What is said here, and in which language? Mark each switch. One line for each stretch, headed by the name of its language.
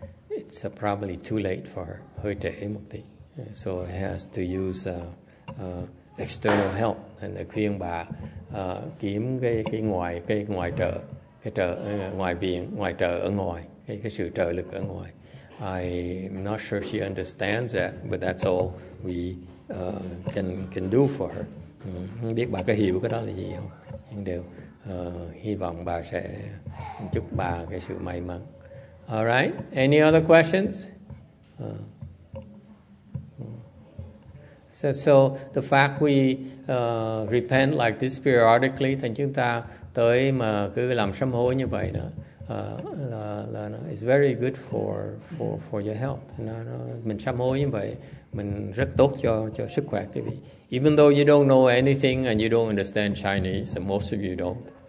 English: It's probably too late for her,
Vietnamese: hơi trễ một tí.
English: So I has to use external help, and I
Vietnamese: khuyên bà kiếm cái sự trợ lực ở ngoài.
English: I'm not sure she understands that, but that's all we can do for her.
Vietnamese: Không biết bà có hiểu cái đó là gì không? Nhưng đều hy vọng bà sẽ chúc bà cái sự may mắn.
English: All right. Any other questions? So the fact we repent like this periodically,
Vietnamese: thành chúng ta tới mà cứ làm sám hối như vậy đó.
English: It's very good for your health.
Vietnamese: Mình sám hối như vậy, mình rất tốt cho sức khỏe quý vị.
English: Even though you don't know anything and you don't understand Chinese, and most of you don't.